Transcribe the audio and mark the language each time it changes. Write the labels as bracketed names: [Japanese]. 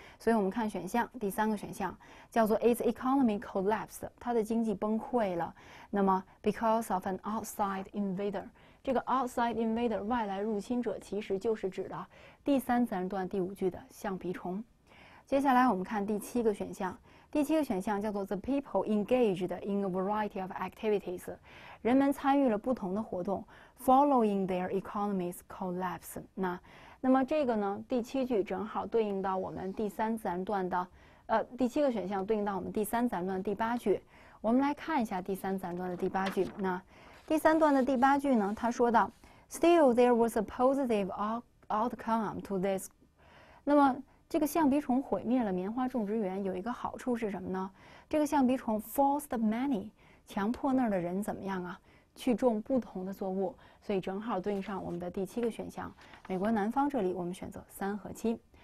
[Chinese] 所以我们看选项，第三个选项叫做 [English] Its economy collapsed， [Chinese] 它的经济崩溃了。那么 [English] because of an outside invader， [Chinese] 这个 outside invader 外来入侵者其实就是指的第三自然段第五句的象鼻虫。接下来我们看第七个选项。第七个选项叫做 [English] The people engaged in a variety of activities， [Chinese] 人们参与了不同的活动 [English] ，following their economies collapse。 [Chinese] 那么这个呢，第七句正好对应到我们第三自然段的，第七个选项对应到我们第三自然段的第八句。我们来看一下第三自然段的第八句。那第三段的第八句呢，他说到 [English] ，Still there was a positive outcome to this。 [Chinese] 那么这个象鼻虫毁灭了棉花种植园，有一个好处是什么呢？这个象鼻虫 [English] forced many， [Chinese] 强迫那儿的人怎么样啊？去种不同的作物，所以正好对应上我们的第七个选项，美国南方这里我们选择三和七。